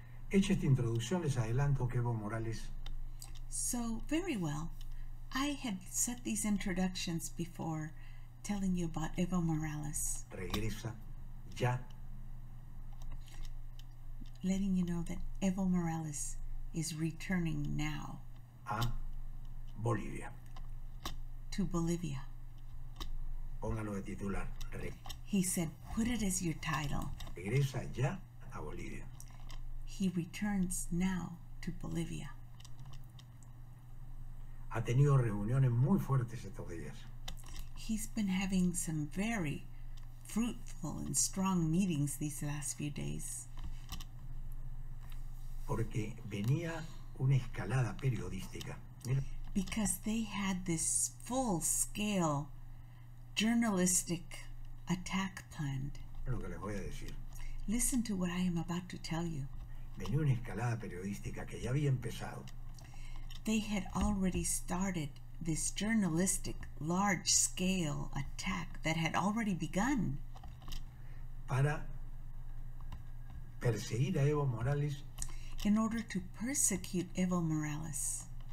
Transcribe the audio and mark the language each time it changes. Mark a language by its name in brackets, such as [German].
[Spanish] Hecha esta introducción, les adelanto que Evo Morales. [English] So, very well. I had set these introductions before telling you about Evo Morales. [Spanish] Regresa ya. [English] Letting you know that Evo Morales is returning now. [Spanish] A Bolivia. [English] To Bolivia. [Spanish] Póngalo de titular. [English] He said, put it as your title. [Spanish] Regresa ya a Bolivia. [English] He returns now to Bolivia. [Spanish] Ha tenido reuniones muy fuertes estos días. [English] He's been having some very fruitful and strong meetings these last few days. [Spanish] Porque venía una escalada periodística. Mira. [English] Because they had this full-scale journalistic attack planned. [Spanish] Lo que les voy a decir. [English] Listen to what I am about to tell you. [Spanish] Venía una escalada periodística que ya había empezado. [English] They had already started this journalistic large-scale attack that had already begun. [Spanish] Para perseguir a Evo Morales. [English] In order to persecute Evo Morales.